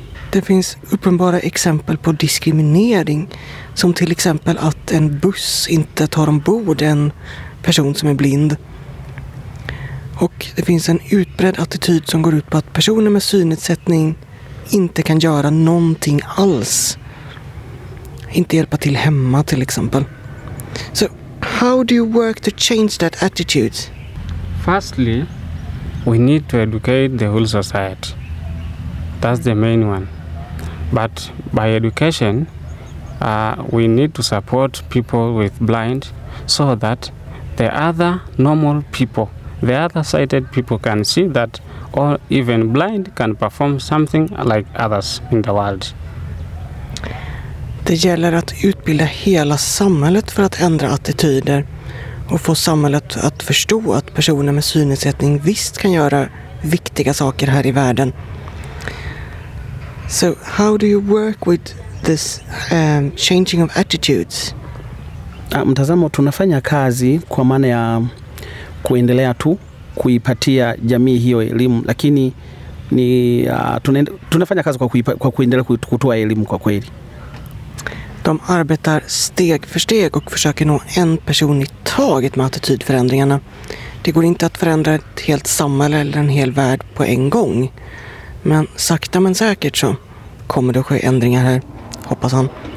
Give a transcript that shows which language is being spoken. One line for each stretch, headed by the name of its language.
Swedish: Det finns uppenbara exempel på diskriminering, som till exempel att en buss inte tar ombord en person som är blind. Och det finns en utbredd attityd som går ut på att personer med synnedsättning inte kan göra någonting alls. Inte hjälpa till hemma till exempel.
English: Så how do you work to change that attitude? Firstly, we need to educate the whole society. That's the main one. But by education, we need to support people with blind so that the other normal people, the other sighted people can see that or even blind can perform something like others in the world.
Swedish: Det gäller att utbilda hela samhället för att ändra attityder och få samhället att förstå att personer med synnedsättning visst kan göra viktiga saker här i världen.
English: So how do you work with this changing of attitudes?
Swahili: Mtazamo tunafanya kazi kwa maana ya kuendelea tu kuipatia jamii hiyo elimu, lakini ni tunafanya kazi kwa kuendelea kutoa elimu kwa kweli.
Swedish: De arbetar steg för steg och försöker nå en person i taget med attitydförändringarna. Det går inte att förändra ett helt samhälle eller en hel värld på en gång. Men sakta men säkert så kommer det att ske ändringar här, hoppas han.